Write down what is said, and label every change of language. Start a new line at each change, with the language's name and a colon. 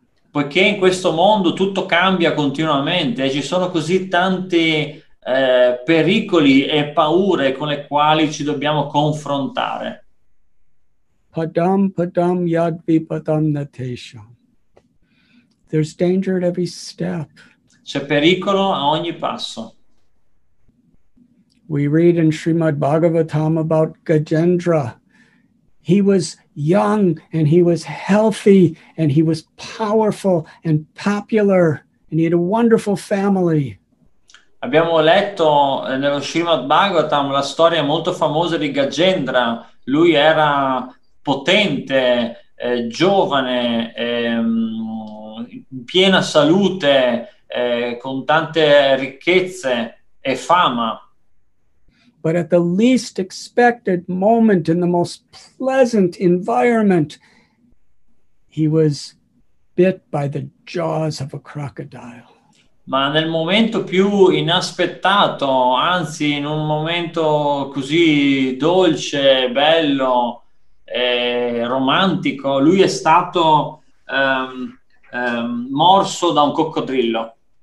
Italian: Poiché in questo mondo tutto cambia continuamente, ci sono così tanti pericoli e paure con le quali ci dobbiamo confrontare.
Sanskrit: Padam padam yad vipadam natesha.
English: There's danger at every step.
Italian: C'è pericolo a ogni passo.
English: We read in Srimad Bhagavatam about Gajendra. He was young and he was healthy and he was powerful and popular and he had a wonderful family.
Italian: Abbiamo letto nello Srimad Bhagavatam la storia molto famosa di Gajendra. Lui era potente, giovane, in piena salute, con tante ricchezze e fama.
English: But at the least expected moment, in the most pleasant environment, he was bit by the jaws of a crocodile.
Italian: Ma nel momento più inaspettato, anzi in un momento così dolce, bello, romantico, lui è stato morso da un coccodrillo.